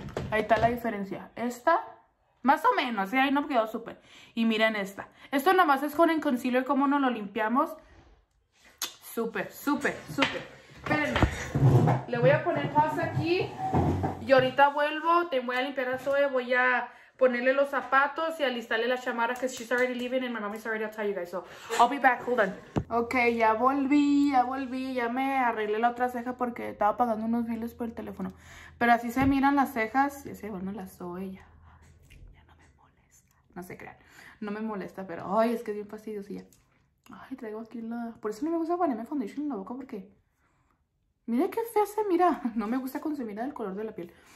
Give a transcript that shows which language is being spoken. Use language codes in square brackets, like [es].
[es] Ahí está la diferencia. Esta, más o menos. Ahí no quedó súper. Y miren esta. Esto nomás es con el concealer. ¿Cómo nos lo limpiamos? Súper, súper, súper. Espérenme. Le voy a poner pausa aquí. Y ahorita vuelvo. Te voy a limpiar a Zoe. Voy a ponerle los zapatos y alistarle la chamara. [en] Because she's already leaving and my mommy's already outside, you guys. So I'll be back. Hold on. [es] Ok, ya volví, ya me arreglé la otra ceja porque estaba pagando unos biles por el teléfono. Pero así se miran las cejas, y ese, bueno, las doy ya. Ya no me molesta, no se crean, no me molesta, pero ay, es que es bien fastidioso y ya. Ay, traigo aquí la... Por eso no me gusta ponerme foundation en la boca porque... Mira qué fea se mira, no me gusta cuando se mira el color de la piel.